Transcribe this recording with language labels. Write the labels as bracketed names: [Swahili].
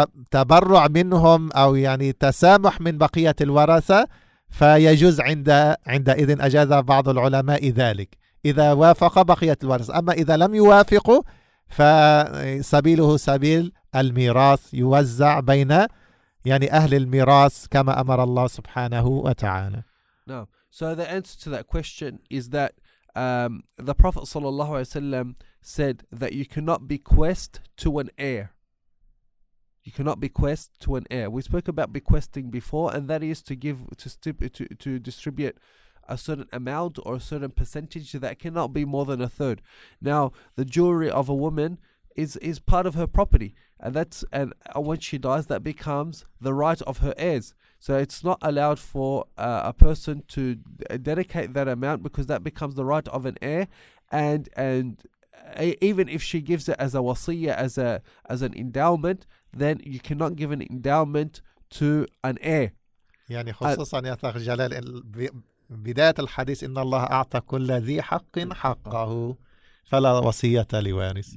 [Arabic] تبرع منهم أو يعني تسامح من بقية الورثة فيجوز عندئذ أجاز بعض العلماء ذلك إذا وافق بقية الورثة أما إذا لم يوافق فسبيله سبيل الميراث يوزع بين يعني أهل الميراث كما أمر الله سبحانه وتعالى. [English] No. So the answer to that question is that the Prophet [Arabic] صلى الله عليه وسلم [English] said that you cannot bequest to an heir. You cannot bequest to an heir. We spoke about bequesting before, and that is to give to distribute a certain amount or a certain percentage that cannot be more than a third. Now, the jewelry of a woman is part of her property, and when she dies, that becomes the right of her heirs. So it's not allowed for a person to dedicate that amount because that becomes the right of an heir, even if she gives it as a wasiyah, as an endowment, then you cannot give an endowment to an heir. [Arabic] يعني خصوصا يا أخ جلال بداية الحديث إن الله أعطى كل ذي حق حقه فلا وصية لوارث.